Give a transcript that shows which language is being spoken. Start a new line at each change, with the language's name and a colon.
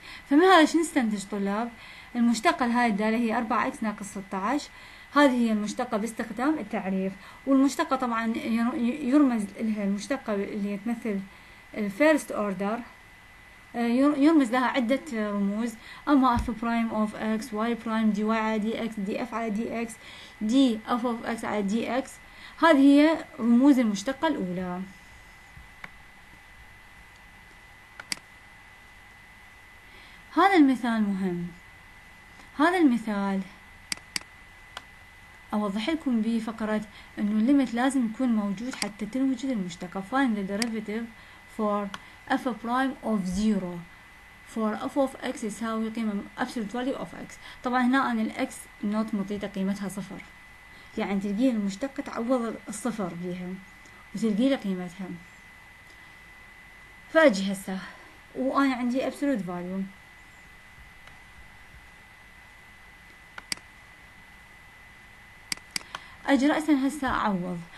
Arabic: فمن هذا شو نستنتج طلاب؟ المشتقة لهاي الدالة هي 4x ناقص 16، هذه هي المشتقة باستخدام التعريف، والمشتقة طبعا يرمز لها المشتقة اللي تمثل الـ
English: first order
Arabic: يرمز لها عدة رموز، أما
English: f prime of x،
Arabic: y prime dy على dx، df على dx، df of x على dx، هذه هي رموز المشتقة الأولى. هذا المثال مهم، هذا المثال أوضح لكم به فقرات أنه الليمت لازم يكون موجود حتى تنوجد المشتقة.
English: Find the derivative for f prime of 0 for f of x
Arabic: يساوي قيمة
English: absolute value of x.
Arabic: طبعا هنا أنا الـ x not مطيتها قيمتها صفر، يعني تلقيه المشتقة تعوض الصفر بيها وتلقي لها قيمتها. فأجي هسا وأنا عندي absolute value، أجي رأساً هسا أعوض.